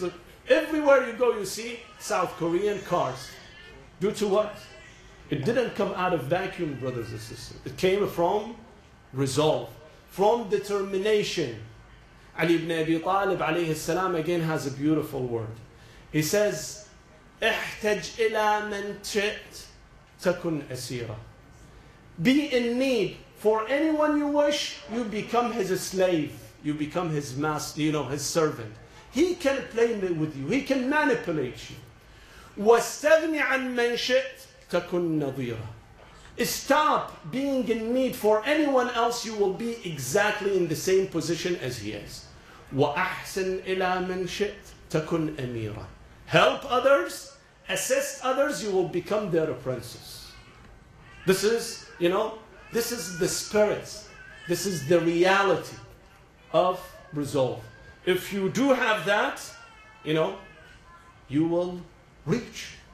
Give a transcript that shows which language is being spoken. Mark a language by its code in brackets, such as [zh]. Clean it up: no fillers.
[en] Look, everywhere you go, you see South Korean cars. Due to what? It didn't come out of vacuum, brothers and sisters. It came from resolve, from determination. Ali ibn Abi Talib, alayhi salam, again has a beautiful word. He says, [ar] احتج إلى من شئت تكن أسيرا. [en] Be in need for anyone you wish, you become his slave, you become his master, you know, his servant. He can play with you, he can manipulate you. [ar] واستغني عن من شئت تكن نظيرا. [en] Stop being in need for anyone else, you will be exactly in the same position as he is. [ar] وأحسن إلى من شئت تكن أميرا. [en] Help others, assist others, you will become their princes. This is, you know, this is the spirit. This is the reality of resolve. If you do have that, you know, you will reach.